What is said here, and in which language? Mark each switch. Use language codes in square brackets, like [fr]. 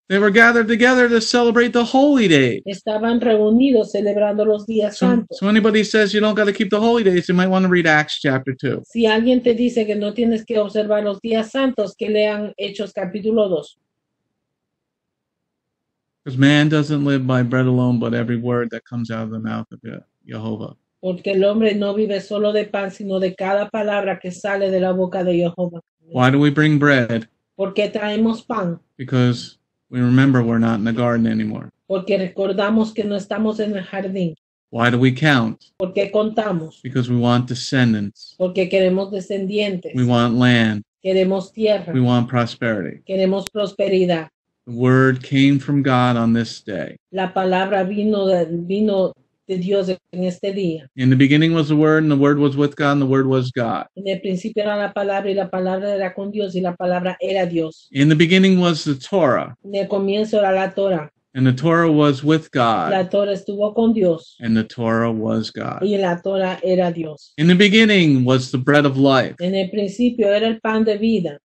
[en] They were gathered together to celebrate the holy days. [es] Estaban reunidos celebrando los días santos. [en] So anybody says you don't got to keep the holy days, you might want to read Acts chapter 2. [es] Si alguien te dice que no tienes que observar los días santos, que lean Hechos capítulo 2. [en] Because man doesn't live by bread alone, but every word that comes out of the mouth of Yehovah. [es] Porque el hombre no vive solo de pan, sino de cada palabra que sale de la boca de Jehová. [en] Why do we bring bread? [es] Porque traemos pan. [en] Because we remember we're not in the garden anymore. [es] Porque recordamos que no estamos en el jardín. [en] Why do we count? [es] Porque contamos. [en] Because we want descendants. [es] Porque queremos descendientes. [en] We want land. [es] Queremos tierra. [en] We want prosperity. [es] Queremos prosperidad. [en] The word came from God on this day. [es] La palabra vino de Dios en este día. [en] In the beginning was the word, and the word was with God, and the word was God. [es] En el principio era la palabra, y la palabra era con Dios, y la palabra era Dios. [en] In the beginning was the Torah. [es] En el comienzo era la Torah. [en] And the Torah was with God. [es] La Torah estuvo con Dios. [en] And the Torah was God. [es] Y la Torah era Dios. [en] In the beginning was the bread of life. [es] En el principio era el pan de vida.